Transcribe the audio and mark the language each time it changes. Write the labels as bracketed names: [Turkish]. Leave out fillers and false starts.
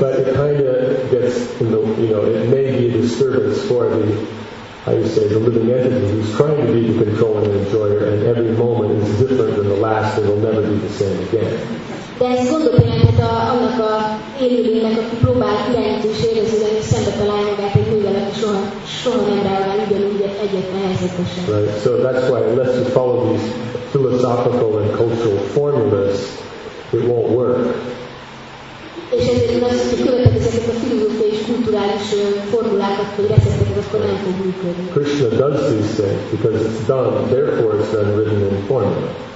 [English] But it kind of gets, it may be a disturbance for the, how you say, the living entity who's trying to be the controlling enjoyer, and every moment is different than the last and will never be the same again. [Hungarian] De ez gondot jelenthet annak a élőlénynek, aki próbál irányítani és érezni, hogy szembe találja magát egy nővel, aki soha nem reagál ugyanúgy egyetlen helyzetben sem. [English] Right, so that's why unless you follow these philosophical and cultural formulas, it won't work. [Hungarian] És ezért az, hogy követed ezeket a filozófiai és kulturális formulákat, vagy recepteket, akkor nem fog működni. [English] Krishna does these things because it's done, therefore it's then written in formula.